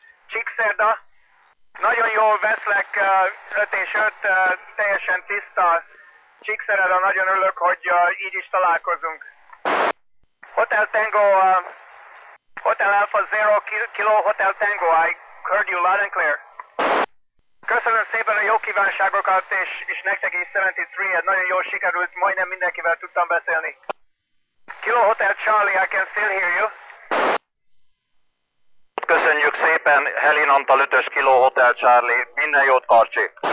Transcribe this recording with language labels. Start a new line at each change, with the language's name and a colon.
Hungarian: Csíkszerda, nagyon jól veszlek, 5 és 5, teljesen tiszta. Csíkszerda, nagyon örülök, hogy így is találkozunk.
English: Hotel Tango, Hotel Alpha 0 Kilo, Hotel Tango, I heard you loud and clear.
Hungarian: Köszönöm szépen a jó kívánságokat, és nektek is 73, nagyon jól sikerült, majdnem mindenkivel tudtam beszélni.
English: Kilo Hotel Charlie, I can still hear you.
Hungarian: Köszönjük szépen, Helin Antal 5-ös Kilo Hotel Charlie, minden jót, Karcsi!